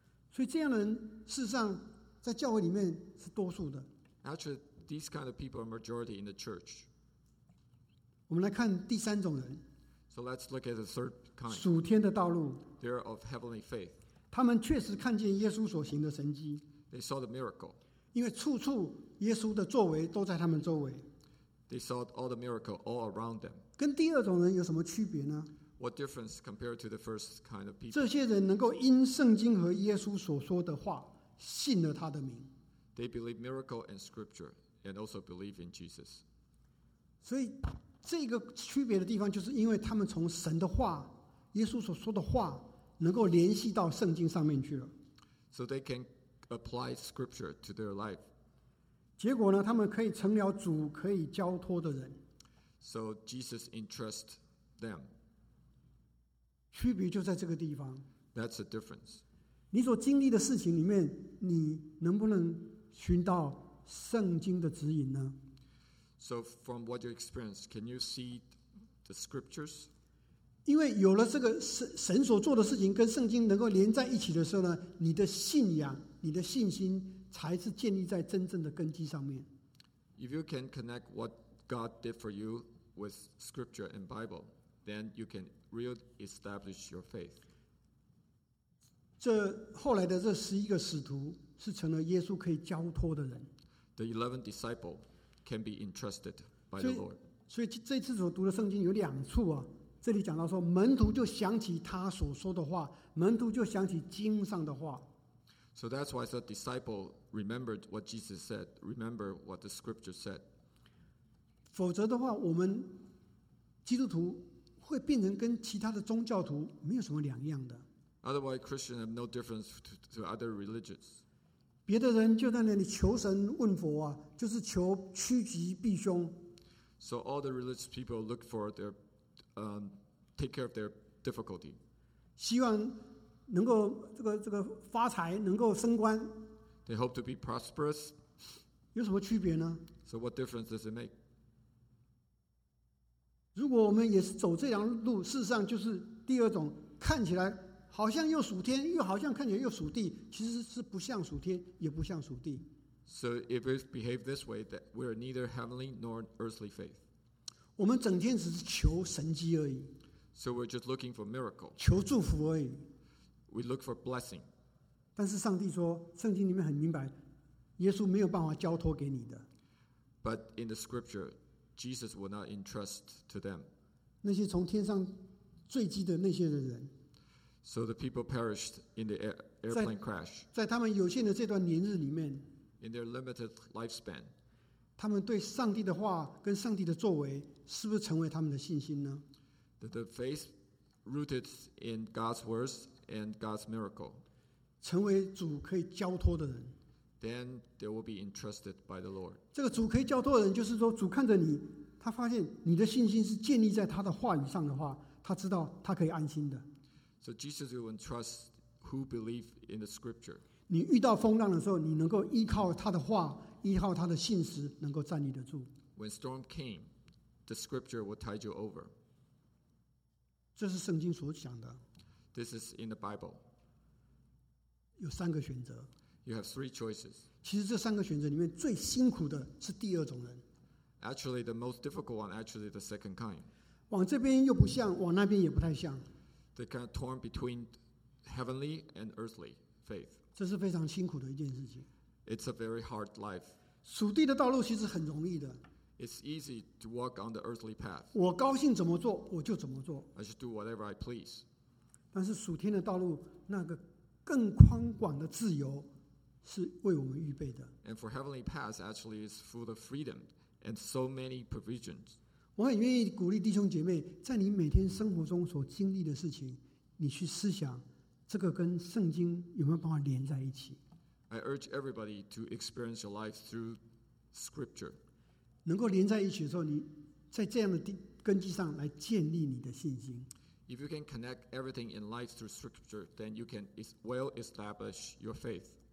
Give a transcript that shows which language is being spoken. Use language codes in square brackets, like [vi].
[zh] 所以这样的人事实上在教会里面是多数的。 [en] Actually, these kind of people are majority in the church. [zh] 我们来看第三种人。 [en] So let's look at the third kind. [zh] 属天的道路。 [en] They're of heavenly faith. [zh] 他们确实看见耶稣所行的神迹。 [en] They saw the miracle. [zh] 因为处处耶稣的作为都在他们周围。 [en] They saw all the miracle all around them. [zh] 跟第二种人有什么区别呢？ [en] What difference compared to the first kind of people? [zh] 这些人能够因圣经和耶稣所说的话信了他的名。 [en] They believe miracle and scripture and also believe in Jesus. [zh] 所以这个区别的地方就是因为他们从神的话，耶稣所说的话能够联系到圣经上面去了。 [en] So they can apply scripture to their life. [zh] 结果呢，他们可以成了主可以交托的人。 [en] So Jesus entrusts them. [zh] 区别就在这个地方。 [en] That's the difference. [zh] 你所经历的事情里面，你能不能寻到圣经的指引呢？ [en] So from what you experience, can you see the scriptures? [zh] 因为有了这个神所做的事情跟圣经能够连在一起的时候呢，你的信仰、你的信心才是建立在真正的根基上面。 [en] If you can connect what God did for you with scripture and Bible, then you can re-establish your faith. [zh] 这后来的这十一个使徒是成了耶稣可以交托的人。 [en] The 11 disciples. Can be entrusted by the Lord. [zh] 所以这次所读的圣经有两处啊，这里讲到说门徒就想起他所说的话，门徒就想起经上的话。 [en] So that's why the disciple remembered what Jesus said, remember what the scripture said. [zh] 否则的话，我们基督徒会变成跟其他的宗教徒没有什么两样的。 [en] Otherwise, Christians have no difference to other religions. [zh] 别的人就在那里求神问佛啊，就是求趋吉避凶。 [en] So all the religious people look for their, take care of their difficulty. [zh] 希望能够这个发财，能够升官。 [en] They hope to be prosperous. [zh] 有什么区别呢 [en] ？So what difference does it make? [zh] 如果我们也是走这条路，事实上就是第二种，看起来好像又属天，又好像看起来又属地，其实是不像属天，也不像属地。 [en] So if we behave this way, that we are neither heavenly nor earthly faith. [zh] 我们整天只是求神迹而已。 [en] So we're just looking for miracle. [zh] 求祝福而已。 [en] We look for blessing. [zh] 但是上帝说，圣经里面很明白，耶稣没有办法交托给你的。 [en] But in the scripture, Jesus will not entrust to them. [zh] 那些从天上坠机的那些的人。 [en] So the people perished in the airplane crash. [zh] 在他们有限的这段年日里面。 [en] In their limited lifespan, [zh] 他们对上帝的话跟上帝的作为是不是成为他们的信心呢 [en] ？The faith rooted in God's words and God's miracle, [zh] 成为主可以交托的人。 [en] Then they will be entrusted by the Lord. [zh] 这个主可以交托的人，就是说主看着你，他发现你的信心是建立在他的话语上的话，他知道他可以安心的。 [en] So Jesus will entrust who believe in the Scripture. [zh] 你遇到风浪的时候，你能够依靠他的话，依靠他的信实，能够站立得住。 [en] When storm came, the scripture will tide you over. [zh] 这是圣经所讲的。 [en] This is in the Bible. [zh] 有三个选择。 [en] You have three choices. [zh] 其实这三个选择里面最辛苦的是第二种人。 [en] Actually, the most difficult one, actually the second kind. [zh] 往这边又不像，往那边也不太像。 [en] They kind of torn between heavenly and earthly faith. [zh] 这是非常辛苦的一件事情。 [en] It's a very hard life. [zh] 属地的道路其实很容易的。 [en] It's easy to walk on the earthly path. [zh] 我高兴怎么做我就怎么做。 [en] I just do whatever I please. [zh] 但是属天的道路，那个更宽广的自由是为我们预备的。 [en] And for heavenly paths, actually, it's full of freedom and so many provisions. [zh] 我很愿意鼓励弟兄姐妹，在你每天生活中所经历的事情，你去思想。这个跟圣经有没有办法连在一起 [en] ？I urge everybody to experience your life through Scripture. [zh] 能够连在一起的时候，你在这样的根基上来建立你的信心。 [en] If you can connect everything in life through Scripture, then you can well establish your faith.